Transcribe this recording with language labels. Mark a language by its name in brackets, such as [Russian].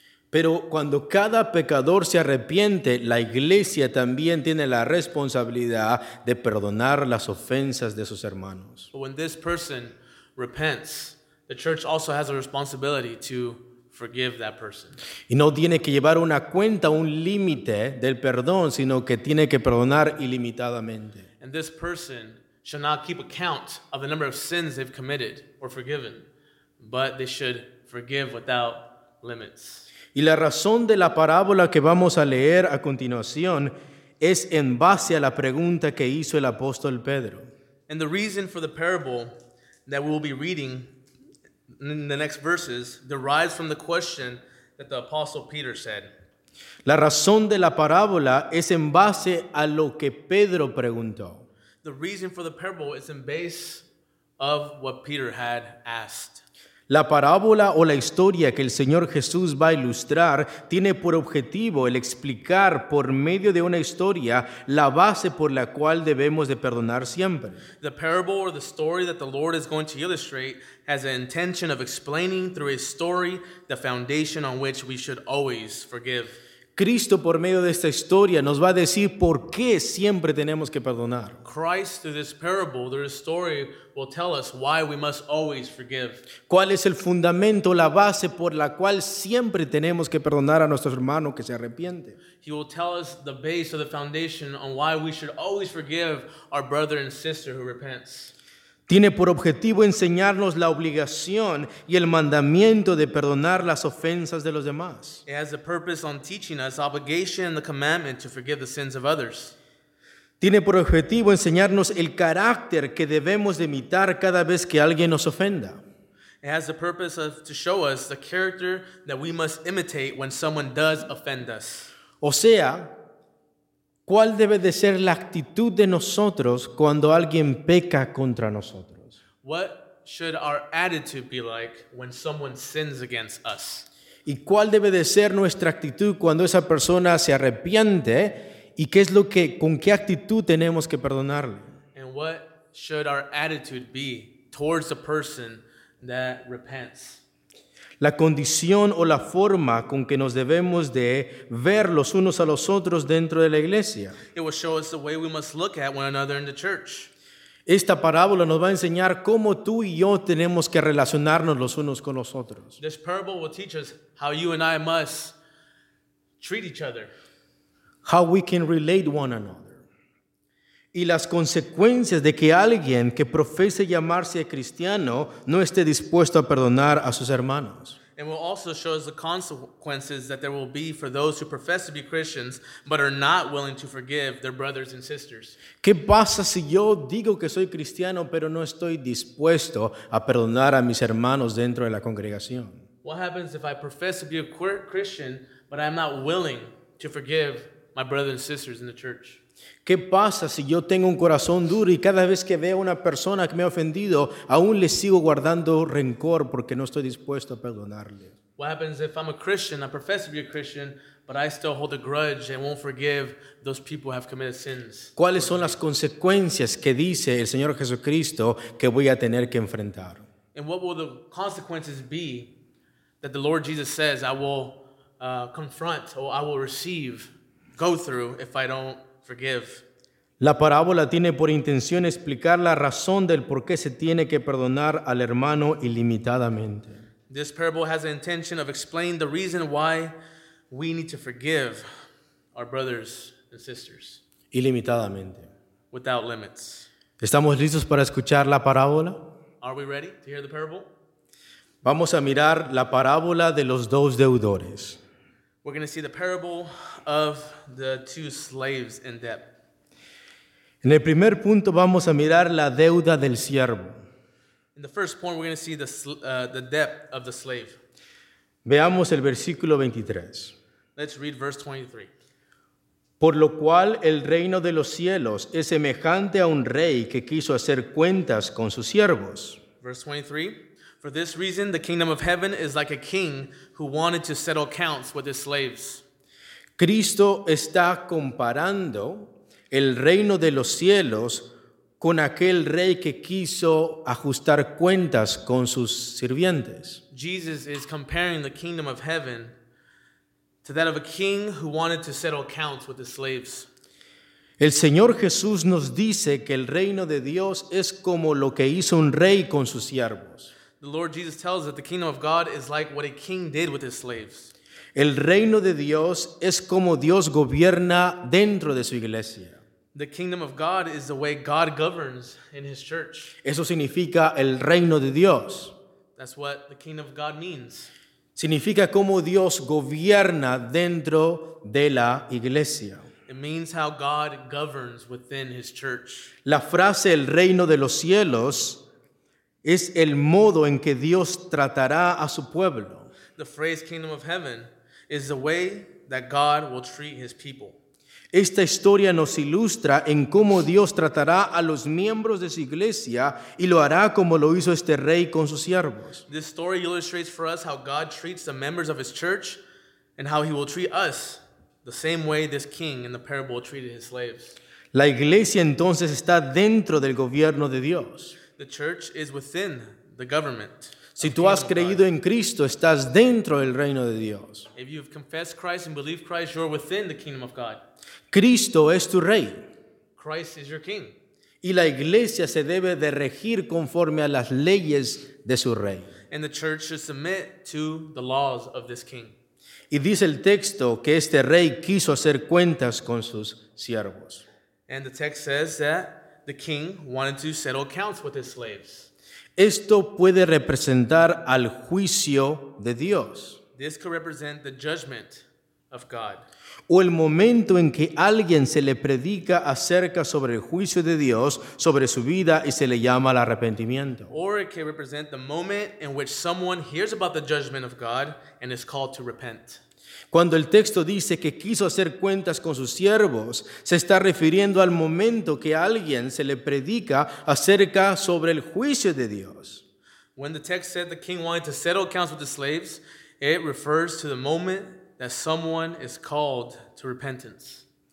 [Spanish] Pero cuando cada pecador se arrepiente, la iglesia también tiene la responsabilidad de perdonar las ofensas de sus hermanos. [English] When this person repents, the church also has a responsibility to forgive that person. [Spanish] Y no tiene que llevar una cuenta, un límite del perdón, sino que tiene que perdonar ilimitadamente. [English] And this person should not keep account of the number of sins they've committed or forgiven, but they should forgive without limits. [Spanish] Y la razón de la parábola que vamos a leer a continuación es en base a la pregunta que hizo el apóstol Pedro. [English] And the reason for the parable that we'll be reading in the next verses derives from the question that the apostle Peter said. [Spanish] La razón de la parábola es en base a lo que Pedro preguntó. [English] The reason for the parable is in base of what Peter had asked. [Spanish] La parábola o la historia que el Señor Jesús va a ilustrar tiene por objetivo el explicar por medio de una historia la base por la cual debemos de perdonar siempre. [English] The parable or the story that the Lord is going to illustrate has an intention of explaining through a story the foundation on which we should always forgive. [Spanish] Cristo por medio de esta historia nos va a decir por qué siempre tenemos que perdonar. [English] Christ through this parable, through this story, will tell us why we must always forgive. [Spanish] ¿Cuál es el fundamento, la base por la cual siempre tenemos que perdonar a nuestro hermano que se arrepiente? [English] He will tell us the base or the foundation on why we should always forgive our brother and sister who repents. [Spanish] Tiene por objetivo enseñarnos la obligación y el mandamiento de perdonar las ofensas de los demás. [English] It has a purpose on teaching us obligation and the commandment to forgive the sins of others. [Spanish] Tiene por objetivo enseñarnos el carácter que debemos de imitar cada vez que alguien nos ofenda. [English] It has the purpose of to show us the character that we must imitate when someone does offend us. [Spanish] O sea, ¿cuál debe de ser la actitud de nosotros cuando alguien peca contra nosotros? [English] What should our attitude be like when someone sins against us? [Spanish] ¿Y cuál debe de ser nuestra actitud cuando esa persona se arrepiente? ¿Y qué es lo que, con qué actitud tenemos que perdonarle? [English] And what should our attitude be towards the person that repents? [Spanish] La condición o la forma con que nos debemos de ver los unos a los otros dentro de la iglesia. [English] It will show us the way we must look at one another in the church. [Spanish] Esta parábola nos va a enseñar cómo tú y yo tenemos que relacionarnos los unos con los otros. [English] This parable will teach us how you and I must treat each other. How we can relate one another. [Spanish] Y las consecuencias de que alguien que profese llamarse cristiano no esté dispuesto a perdonar a sus hermanos. [English] And will also show us the consequences that there will be for those who profess to be Christians but are not willing to forgive their brothers and sisters. [Spanish] ¿Qué pasa si yo digo que soy cristiano pero no estoy dispuesto a perdonar a mis hermanos dentro de la congregación? [English] What happens if I profess to be a Christian but I'm not willing to forgive my brothers and sisters in the church? [Spanish] ¿Qué pasa si yo tengo un corazón duro y cada vez que veo a una persona que me ha ofendido, aún le sigo guardando rencor porque no estoy dispuesto a perdonarle? [English] What happens if I'm a Christian, I profess to be a Christian, but I still hold a grudge and won't forgive those people who have committed sins? [Spanish] ¿Cuáles son las consecuencias que dice el Señor Jesucristo que voy a tener que enfrentar? [English] And what will the consequences be that the Lord Jesus says I will confront or I will receive? Go through if I don't forgive. [Spanish] La parábola tiene por intención explicar la razón del por qué se tiene que perdonar al hermano ilimitadamente. [English] This parable has the intention of explaining the reason why we need to forgive our brothers and sisters. [Spanish] Ilimitadamente. [English] Without limits. [Spanish] ¿Estamos listos para escuchar la parábola? [English] Are we ready to hear the parable? [Spanish] Vamos a mirar la parábola de los dos deudores. [English] We're going to see the parable of the two slaves in depth. [Spanish] En el primer punto vamos a mirar la deuda del siervo. [English] In the first point, we're going to see the debt of the slave. [Spanish] Veamos el versículo 23. [English] Let's read verse 23. [Spanish] Por lo cual el reino de los cielos es semejante a un rey que quiso hacer cuentas con sus siervos. [English] Verse 23. For this reason, the kingdom of heaven is like a king who wanted to settle accounts with his slaves. [Spanish] Cristo está comparando el reino de los cielos con aquel rey que quiso ajustar cuentas con sus sirvientes. [English] Jesus is comparing the kingdom of heaven to that of a king who wanted to settle accounts with his slaves. [Spanish] El Señor Jesús nos dice que el reino de Dios es como lo que hizo un rey con sus siervos. [English] The Lord Jesus tells that the kingdom of God is like what a king did with his slaves. [Spanish] El reino de Dios es como Dios gobierna dentro de su iglesia. [English] The kingdom of God is the way God governs in his church. [Spanish] Eso significa el reino de Dios. [English] That's what the kingdom of God means. [Spanish] Significa cómo Dios gobierna dentro de la iglesia. [English] It means how God governs within his church. [Spanish] La frase el reino de los cielos es el modo en que Dios tratará a su pueblo. [English] The phrase kingdom of heaven is the way that God will treat his people. [Spanish] Esta historia nos ilustra en cómo Dios tratará a los miembros de su iglesia y lo hará como lo hizo este rey con sus siervos. [English] This story illustrates for us how God treats the members of his church and how he will treat us the same way this king in the parable treated his slaves. [Spanish] La iglesia entonces está dentro del gobierno de Dios. [English] The church is within the government. [Spanish] Si tú has creído en Cristo, estás dentro del reino de Dios. [English] If you have confessed Christ and believe Christ, you're within the kingdom of God. [Spanish] Cristo es tu rey. [English] Christ is your king. [Spanish] Y la iglesia se debe de regir conforme a las leyes de su rey. [English] And the church should submit to the laws of this king. [Spanish] Y dice el texto que este rey quiso hacer cuentas con sus siervos. [English] And the text says that the king wanted to settle accounts with his slaves. [Spanish] Esto puede representar al juicio de Dios. [English] This could represent the judgment of God. [Spanish] O el momento en que alguien se le predica acerca sobre el juicio de Dios, sobre su vida y se le llama al arrepentimiento. [English] Or it could represent the moment in which someone hears about the judgment of God and is called to repent. [Spanish] Cuando el texto dice que quiso hacer cuentas con sus siervos, se está refiriendo al momento que alguien se le predica acerca sobre el juicio de Dios. [English] When the text said the king wanted to settle accounts with the slaves, it refers to the moment that someone is called to repentance.